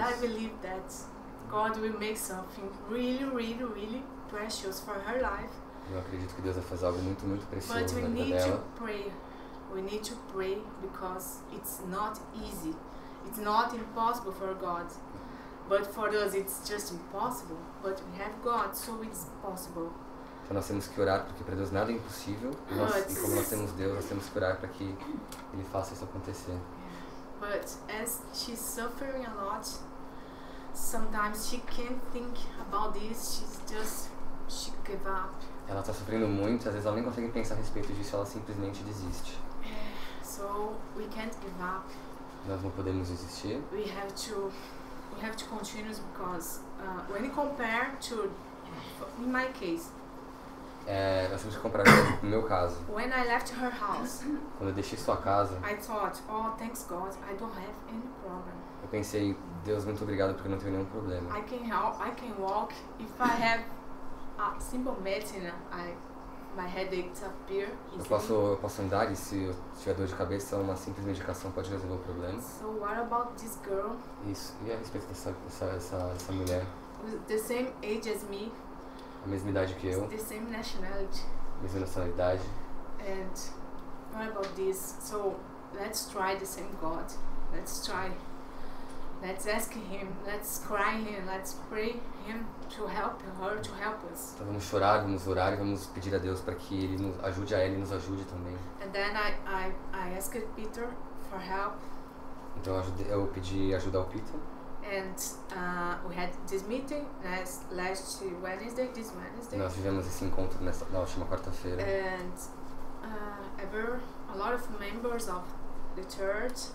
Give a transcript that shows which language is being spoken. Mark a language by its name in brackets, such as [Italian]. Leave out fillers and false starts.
[English] And I believe that God will make something really, really, really precious for her life. [Portuguese] Eu acredito que Deus vai fazer algo muito, muito precioso na vida dela. [English] But we need to pray. We need to pray because it's not easy. It's not impossible for God. But for us it's just impossible. But we have God, so it's possible. [Portuguese] Então nós temos que orar porque para Deus nada é impossível. E, nós, e como nós temos Deus, nós temos que orar para que Ele faça isso acontecer. [English] But as she's suffering a lot, sometimes she can't think about this. She's just she give up. [Portuguese] Ela está sofrendo muito. Às vezes ela nem consegue pensar a respeito disso. Ela simplesmente desiste. [English] So we can't give up. [Portuguese] Nós não podemos desistir. [English] We have to continue because when you compare to in my case. [Portuguese] Nós temos que comprar no meu caso. [English] When I left her house, [Portuguese] quando eu deixei sua casa, [English] I thought, oh, thanks God, I don't have any problem. [Portuguese] Eu pensei, Deus, muito obrigado porque eu não tenho nenhum problema. [English] I can help, I can walk. If I have a simple medicine, my headache disappears easily. [Portuguese] Eu posso andar e se eu tiver dor de cabeça, uma simples medicação pode resolver o problema. [English] So what about this girl? [Portuguese] Isso, e a respeito dessa mulher? [English] The same age as me. [Portuguese] A mesma idade que eu. [English] The same nationality. [Portuguese] Mesma nacionalidade. [English] And what about this? So let's try the same God. Let's try. Let's ask Him. Let's cry Him. Let's pray Him to help her, to help us. [Portuguese] Então vamos chorar, vamos orar e vamos pedir a Deus para que Ele nos ajude a ela e nos ajude também. [English] And then I asked Peter for help. [Portuguese] Então eu pedi ajuda ao Peter. [English] And we had this meeting last Wednesday, this Wednesday. [Portuguese] Nós tivemos esse encontro na última quarta-feira. [English] And a lot of members of the church.